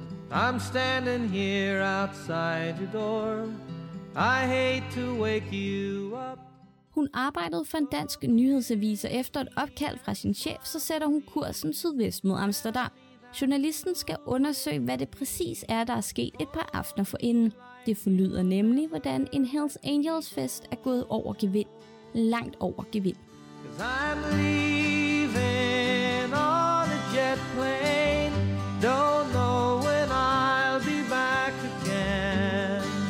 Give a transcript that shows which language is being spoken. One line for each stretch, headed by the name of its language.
English: I'm standing here outside your door. I hate to wake you up.
Danish: Hun arbejdede for en dansk nyhedsavis, og efter et opkald fra sin chef, så sætter hun kursen sydvest mod Amsterdam. Journalisten skal undersøge, hvad det præcis er, der er sket et par aftener forinden. Det forlyder nemlig, hvordan en Hells Angels fest er gået over gevind. Langt over gevind.
English: 'Cause I'm leaving on a jet plane. Don't know when I'll be back again.